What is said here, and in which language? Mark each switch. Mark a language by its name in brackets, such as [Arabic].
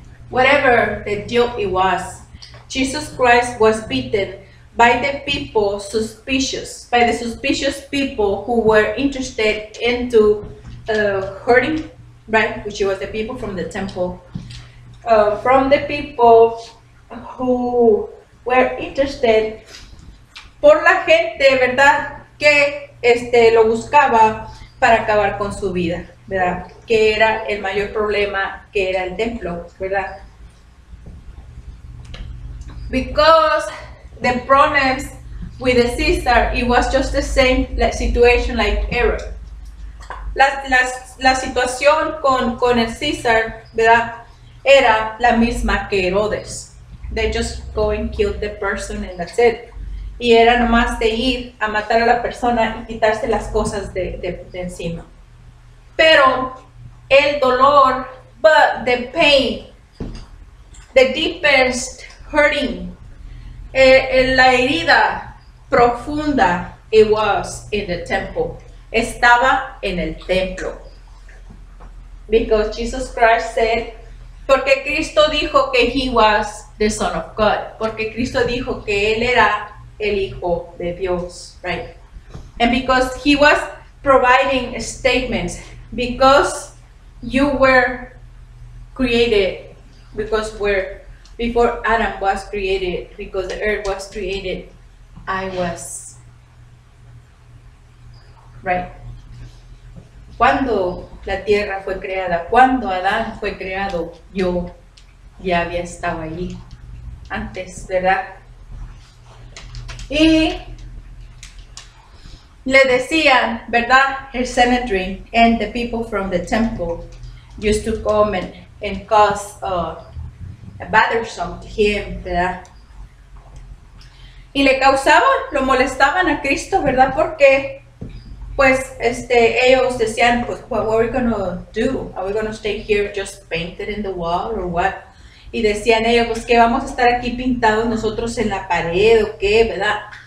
[English] Whatever the deal it was, Jesus Christ was beaten by the people suspicious, by the suspicious people who were interested into hurting, right? Which was the people from the temple, from the people who were interested, [Spanish] por la gente, ¿verdad? Que lo buscaba para acabar con su vida, ¿verdad? Que era el mayor problema, que era el templo, ¿verdad? [English] Because the problems with the Caesar, it was just the same situation like Herod. [Spanish] La situación con el César, ¿verdad? Era la misma que Herodes. [English] They just go and kill the person and that's it. [Spanish] Y era nomás de ir a matar a la persona y quitarse las cosas de encima. Pero el dolor, [English] but the pain, the deepest hurting, [Spanish] la herida profunda, [English] it was in the temple. [Spanish] Estaba en el templo. [English] Because Jesus Christ said, [Spanish] porque Cristo dijo que [English] he was the Son of God. [Spanish] Porque Cristo dijo que él era el Hijo de Dios, [English] right? And because he was providing statements, because you were created, because before Adam was created, because the earth was created, I was. Right. [Spanish] Cuando la tierra fue creada, cuando Adán fue creado, yo ya había estado ahí antes, ¿verdad? Y le decían, ¿verdad? [English] El Sanhedrin and the people from the temple used to come and cause a bothersome to him, ¿verdad? [Spanish] Y le causaban, lo molestaban a Cristo, ¿verdad? Porque pues ellos decían, pues, [English] what are we going to do? Are we going to stay here just painted in the wall or what? [Spanish] Y decían ellos, pues, ¿qué vamos a estar aquí pintados nosotros en la pared o qué, verdad?